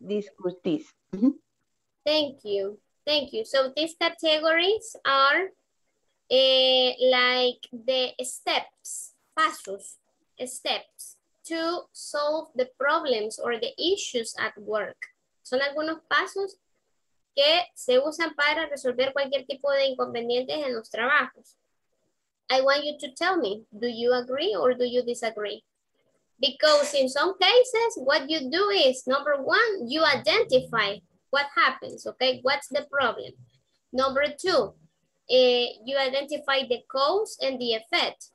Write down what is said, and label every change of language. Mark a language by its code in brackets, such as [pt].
[en] Discuss this. Thank you. Thank you. So these categories are like the steps, pasos, steps to solve the problems or the issues at work. [es] Son algunos pasos que se usan para resolver cualquier tipo de inconvenientes en los trabajos. [en] I want you to tell me, do you agree or do you disagree? Because in some cases, what you do is, number one, you identify what happens, okay? What's the problem? Number two, you identify the cause and the effect.